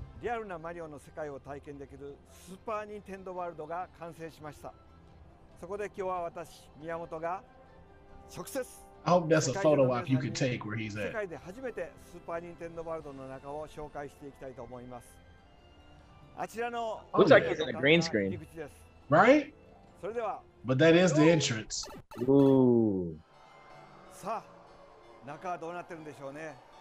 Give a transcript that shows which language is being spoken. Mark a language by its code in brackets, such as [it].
[ja] リアルなマリオの世界を体験できるスーパーニンテンドワールドが完成しました。そこで今日は私、宮本が直接 [en] I hope that's a photo op you can take where he's at. [ja] 世界で初めてスーパーニンテンドワールドの中を紹介していきたいと思います。 [en] Looks like he's in a green screen. Right? [ja] それでは [en] But that is the entrance. Ooh. [ja] さあ、中はどうなってるんでしょうね。